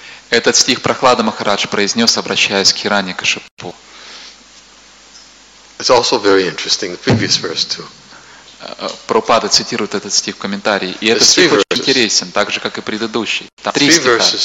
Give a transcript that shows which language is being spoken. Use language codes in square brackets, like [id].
[ru] Этот стих Прахлада Махарадж произнес, обращаясь к Хираньякашипу. [en] It's also very interesting, the previous verse too. [ru] Прабхупада цитирует этот стих в комментарии. И этот стих очень интересен, так же, как и предыдущий. Там три стиха.